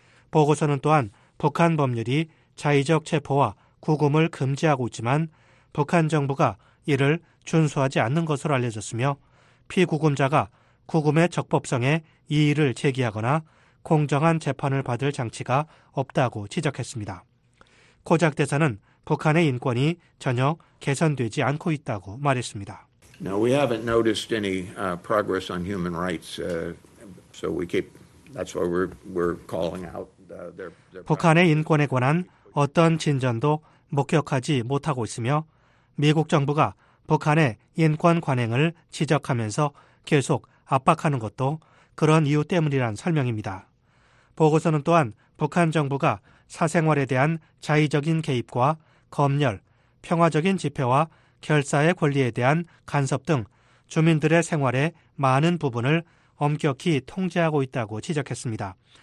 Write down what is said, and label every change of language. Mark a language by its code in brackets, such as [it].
[ko] 보고서는 또한 북한 법률이 자의적 체포와 구금을 금지하고 있지만 북한 정부가 이를 준수하지 않는 것으로 알려졌으며 피구금자가 구금의 적법성에 이의를 제기하거나 공정한 재판을 받을 장치가 없다고 지적했습니다. 코작 대사는 북한의 인권이 전혀 개선되지 않고 있다고 말했습니다. [en] No, we haven't noticed any progress on human rights. So we keep that's why we're calling out their [ko] 북한의 인권에 관한 어떤 진전도 목격하지 못하고 있으며 미국 정부가 북한의 인권 관행을 지적하면서 계속 압박하는 것도 그런 이유 때문이란 설명입니다. 보고서는 또한 북한 정부가 사생활에 대한 자의적인 개입과 검열, 평화적인 집회와 결사의 권리에 대한 간섭 등 주민들의 생활의 많은 부분을 엄격히 통제하고 있다고 지적했습니다.